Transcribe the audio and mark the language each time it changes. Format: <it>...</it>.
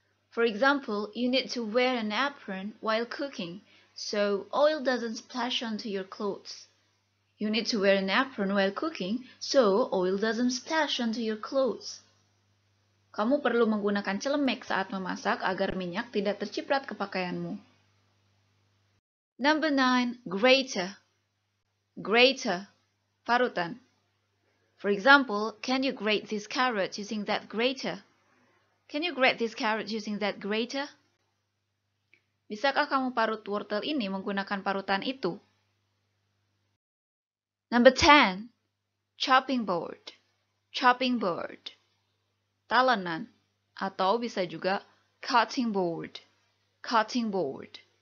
<en>For example, you need to wear an apron while cooking so oil doesn't splash onto your clothes. You need to wear an apron while cooking, so oil doesn't splash onto your clothes.</en> <id>Kamu perlu menggunakan celemek saat memasak agar minyak tidak terciprat ke pakaianmu.</id> <en>Number 9. Grater. Grater. Parutan. For example, can you grate this carrot using that grater? Can you grate this carrot using that grater?</en> <id>Bisakah kamu parut wortel ini menggunakan parutan itu?</id> <en>Number 10. Chopping board. Chopping board.</en> <id>Talenan. Atau bisa juga cutting board. Cutting board.</id>